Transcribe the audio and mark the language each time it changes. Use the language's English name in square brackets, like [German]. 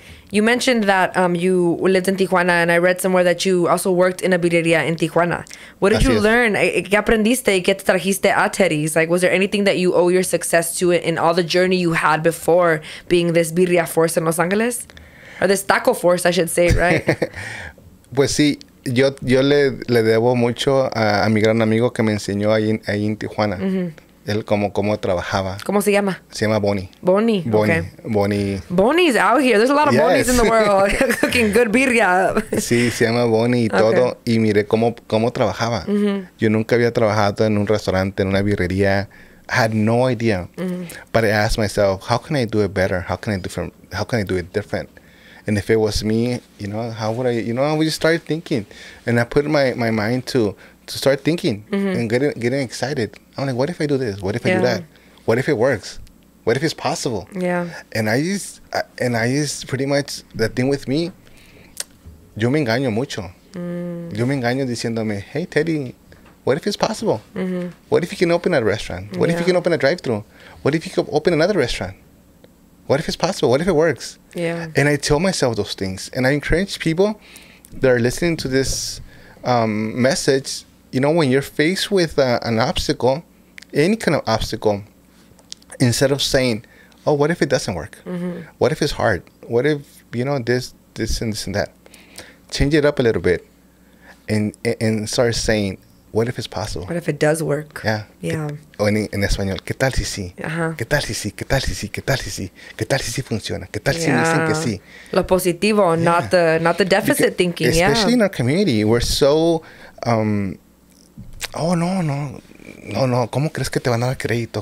[English] You mentioned that you lived in Tijuana, and I read somewhere that you also worked in a birria in Tijuana. What did you learn? [Spanish] ¿Qué aprendiste? ¿Qué te trajiste a Teddy's? [English] Like, was there anything that you owe your success to in all the journey you had before being this birria force in Los Angeles? Or this taco force, I should say, right? [Spanish] Pues sí. Yo le debo mucho a mi gran amigo que me enseñó ahí en Tijuana. Él cómo trabajaba. ¿Cómo se llama? Se llama Bonnie. Bonnie. Bonnie. [English] Okay. Bonnie. Bonnie's out here. There's a lot of Bonnie's in the world cooking good birria. [Spanish] Sí, se llama Bonnie y todo. Okay. Y miré cómo trabajaba. Yo nunca había trabajado en un restaurante, en una birrería. [English] I had no idea. But I asked myself, how can I do it better? How can I do it different? And if it was me, you know, how would I, you know, I would just start thinking. And I put my mind to start thinking and getting excited. I'm like, what if I do this? What if I do that? What if it works? What if it's possible? Yeah. And I just pretty much, the thing with me, [Spanish] yo me engaño mucho. Yo me engaño diciéndome, [English] hey, Teddy, what if it's possible? What if you can open a restaurant? What if you can open a drive-thru? What if you can open another restaurant? What if it's possible? What if it works? Yeah. And I tell myself those things. And I encourage people that are listening to this message, you know, when you're faced with an obstacle, any kind of obstacle, instead of saying, oh, what if it doesn't work? What if it's hard? What if, you know, this and that? Change it up a little bit and start saying, what if it's possible? What if it does work? Yeah. Yeah. In Espanol, [Spanish] ¿qué tal si sí? ¿Qué tal si sí? ¿Qué tal si sí? ¿Qué tal si sí? ¿Qué tal si sí funciona? ¿Qué tal si dicen que sí? Lo positivo, [English] not the deficit because thinking. Especially in our community, we're so, no. [Spanish] ¿Cómo crees que te van a dar crédito?